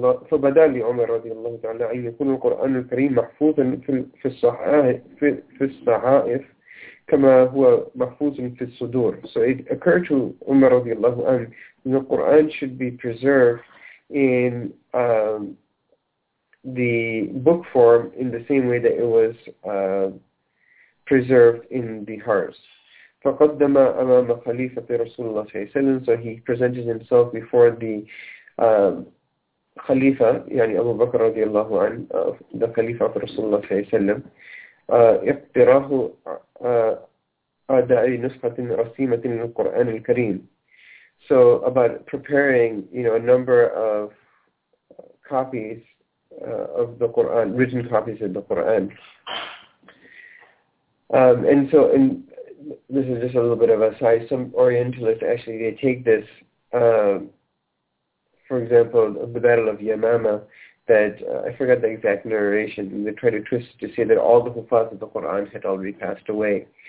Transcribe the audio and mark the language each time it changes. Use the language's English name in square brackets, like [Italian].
[Arabic] فبدا لعمر رضي الله تعالى أن يكون القرآن الكريم محفوظا في الصحائف كما هو محفوظ في الصدور. [English] So it occurred to Umar [Arabic] رضي الله عنه [English] the Quran should be preserved in the book form in the same way that it was preserved in the hearts. [Arabic] فقدم أمام خليفة رسول الله صلى الله عليه وسلم. [English] So he presented himself before the [Arabic] خليفة, يعني أبو بكر رضي الله عنه, the خليفة of رسول الله صلى الله عليه وسلم. اقتراه أداء نسخة رسيمة للقرآن الكريم. [English] So about preparing, you know, a number of copies of the Quran, written copies of the Quran. And so, and this is just a little bit of a aside, some Orientalists actually, they take this, for example, the Battle of Yamama, that, I forgot the exact narration, and they try to twist it to say that all the Hufaz of the Quran had already passed away.